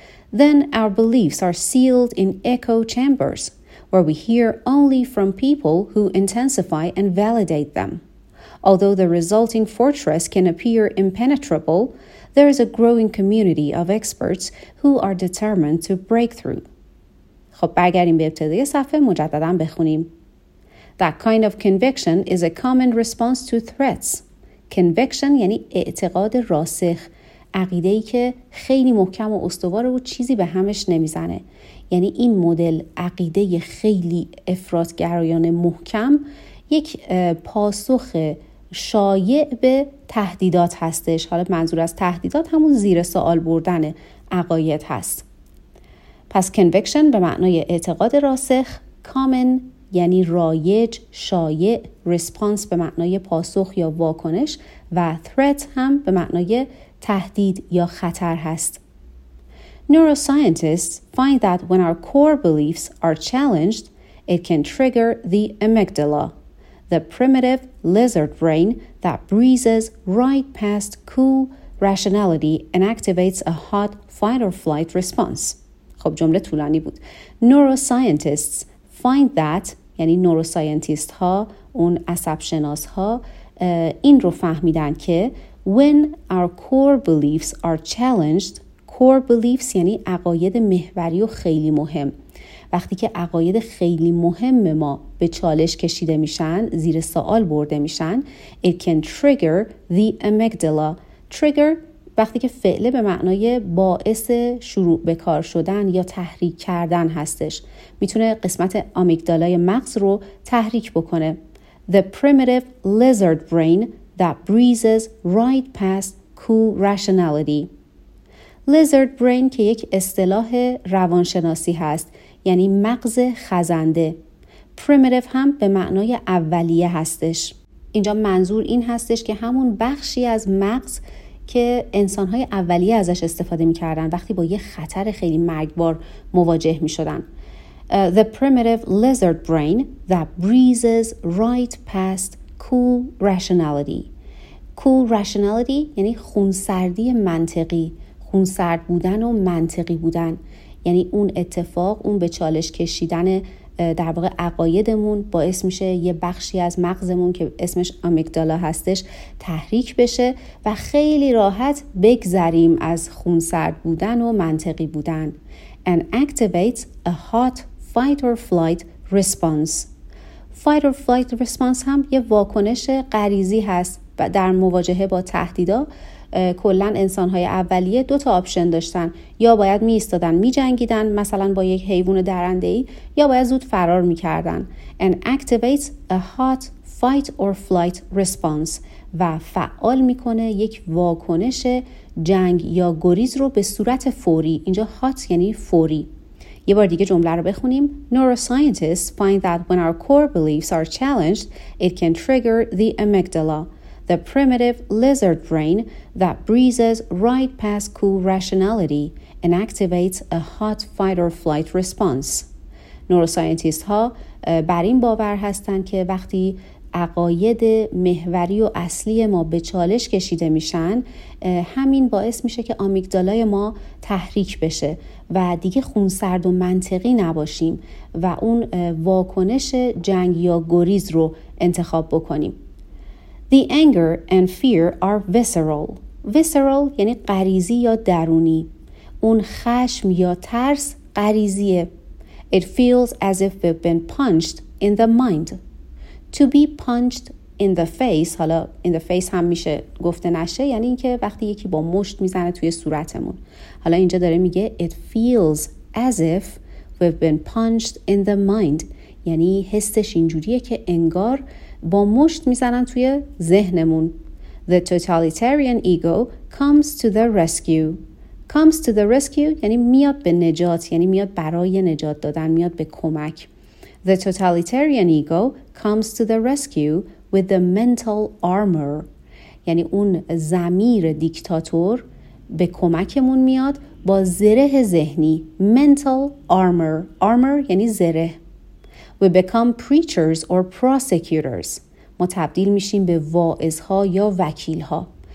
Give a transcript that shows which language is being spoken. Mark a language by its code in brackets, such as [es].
[en] Then our beliefs are sealed in echo chambers, where we hear only from people who intensify and validate them. Although the resulting fortress can appear impenetrable, there is a growing community of experts who are determined to break through. [fa] خب برگردیم به ابتدای صفحه مجددا بخونیم. [en] That kind of conviction is a common response to threats. [fa] Conviction یعنی اعتقاد راسخ، عقیده‌ای که خیلی محکم و استواره و چیزی به همش نمیزنه. یعنی این مدل عقیده خیلی افراط‌گرایانه محکم یک پاسخ شایع به تهدیدات هستش. حالا منظور از تهدیدات همون زیر سوال بردن عقاید هست. پس conviction به معنای اعتقاد راسخ، common یعنی رایج، شایع، response به معنای پاسخ یا واکنش و threat هم به معنای تهدید یا خطر هست. [en] Neuroscientists find that when our core beliefs are challenged, it can trigger the amygdala, the primitive lizard brain that breezes right past cool rationality and activates a hot fight-or-flight response. [fa] خب جمله طولانی بود. [en] Neuroscientists find that, [fa] یعنی نوروساینتیست ها، اون عصب شناس ها، این رو فهمیدن که [en] when our core beliefs [fa] are challenged, core beliefs یعنی عقاید محوری و خیلی مهم، وقتی که عقاید خیلی مهم ما به چالش کشیده میشن، زیر سوال برده میشن، [en] it can trigger the amygdala. [fa] Trigger وقتی که فعل به معنای باعث شروع به کار شدن یا تحریک کردن هستش، میتونه قسمت آمیگدالای مغز رو تحریک بکنه. [en] The primitive lizard brain that breezes right past cool rationality. [fa] Lizard brain که یک اصطلاح روانشناسی هست، یعنی مغز خزنده. primitive هم به معنای اولیه هستش. اینجا منظور این هستش که همون بخشی از مغز که انسان‌های اولیه ازش استفاده می‌کردن وقتی با یه خطر خیلی مرگبار مواجه می‌شدن. [en] The primitive lizard brain that breezes right past cool rationality. [fa] Cool rationality یعنی خونسردی منطقی، خونسرد بودن و منطقی بودن. یعنی اون اتفاق، اون به چالش کشیدن در واقع عقایدمون باعث میشه یه بخشی از مغزمون که اسمش آمیگدالا هستش تحریک بشه و خیلی راحت بگذریم از خونسرد بودن و منطقی بودن. [en] And activates a hot fight or flight response. Fight or flight response [fa] هم یه واکنش غریزی هست، و در مواجهه با تهدیدا کلن انسان‌های اولیه دو تا آپشن داشتن، یا باید می‌ایستادن می‌جنگیدن مثلا با یک حیوان درنده‌ای، یا باید زود فرار می‌کردن. [en] And activates a hot fight or flight response [fa] و فعال می‌کنه یک واکنش جنگ یا گریز رو به صورت فوری. اینجا hot یعنی فوری. یه بار دیگه جمله رو بخونیم. [en] Neuroscientists find that when our core beliefs are challenged, it can trigger the amygdala, the primitive lizard brain that breezes right past cool rationality and activates a hot fight or flight response. [fa] Neuroscientists ها بر این باور هستند که وقتی عقاید محوری و اصلی ما به چالش کشیده میشن، همین باعث میشه که آمیگدالای ما تحریک بشه و دیگه خونسرد و منطقی نباشیم و اون واکنش جنگ یا گریز رو انتخاب بکنیم. [en] The anger and fear are visceral. Visceral [fa] یعنی غریزی یا درونی. اون خشم یا ترس غریزیه. [en] It feels as if we've been punched in the mind. To be punched in the face. [fa] حالا in the face هم میشه گفته نشه، یعنی اینکه وقتی یکی با مشت میزنه توی صورتمون. حالا اینجا داره میگه [en] It feels as if we've been punched in the mind. [fa] یعنی حسش اینجوریه که انگار با مشت میزنن توی ذهنمون. [en] The totalitarian ego comes to the rescue. Comes to the rescue [fa] یعنی میاد به نجات، یعنی میاد برای نجات دادن، میاد به کمک. [en] The totalitarian ego comes to the rescue with the mental armor. [fa] یعنی اون ضمیر دیکتاتور به کمکمون میاد با زره ذهنی. [en] Mental armor. Armor [fa] یعنی زره. [en] We become preachers or prosecutors. [fa] ما تبدیل میشیم به واعظها یا وکیلها.